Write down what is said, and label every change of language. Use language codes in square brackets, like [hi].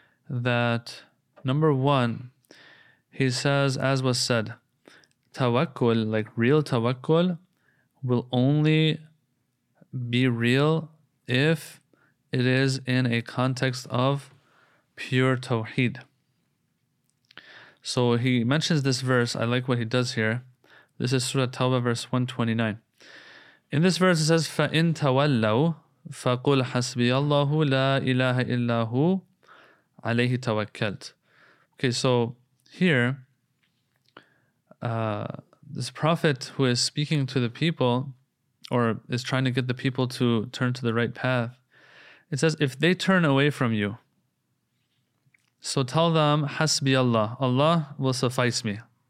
[en] That number one, he says, as was said, tawakkul, like real tawakkul, will only be real if it is in a context of pure tawheed. So he mentions this verse. I like what he does here. This is Surah Tawbah, verse 129. In this verse it says, [ar] فَإِن تَوَلَّوْا فَقُلْ حَسْبِيَ اللَّهُ لَا إِلَهَ إِلَّا هُوَ عَلَيْهِ تَوَكَّلْتُ. [en] Okay, so here, this prophet who is speaking to the people, or is trying to get the people to turn to the right path, it says, if they turn away from you, so tell them, Hasbi Allah, Allah will suffice me.